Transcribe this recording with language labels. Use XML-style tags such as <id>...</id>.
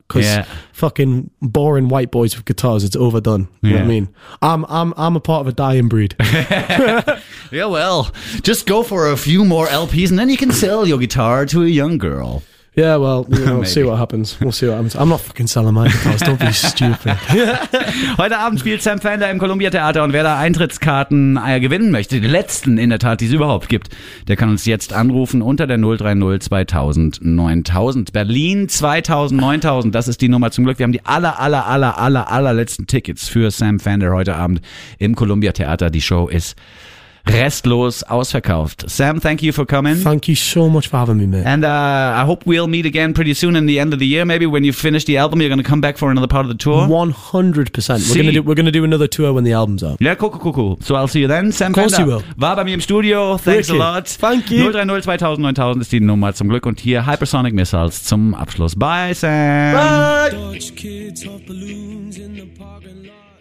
<en>Because fucking boring white boys with guitars, it's overdone. You know what I mean? I'm a part of a dying breed. Yeah, well, just go for a few more LPs and then you can sell your guitar to a young girl. Yeah, well, you know, we'll see what happens. I'm not fucking selling my guitars, don't be stupid.</en> <de>Heute Abend spielt Sam Fender im Columbia Theater und wer da Eintrittskarten gewinnen möchte, die letzten in der Tat, die es überhaupt gibt, der kann uns jetzt anrufen unter der 030 2000 9000. Berlin 2000 9000, das ist die Nummer zum Glück. Wir haben die allerletzten Tickets für Sam Fender heute Abend im Columbia Theater. Die Show ist restlos ausverkauft.</de> <en>Sam, thank you for coming. Thank you so much for having me, mate. And I hope we'll meet again pretty soon in the end of the year. Maybe when you finish the album, you're going to come back for another part of the tour. 100%. We're going to do another tour when the album's out. Yeah, cool. So I'll see you then. Sam, of course you will.</en> <de>War bei mir im Studio.</de> <en>Thanks a lot. Thank you.</en> <de>030 2000 9000 ist die Nummer zum Glück. Und hier Hypersonic Missiles zum Abschluss.</de> <en>Bye, Sam. Bye. Dutch kids hot balloons in the parking lot.</en>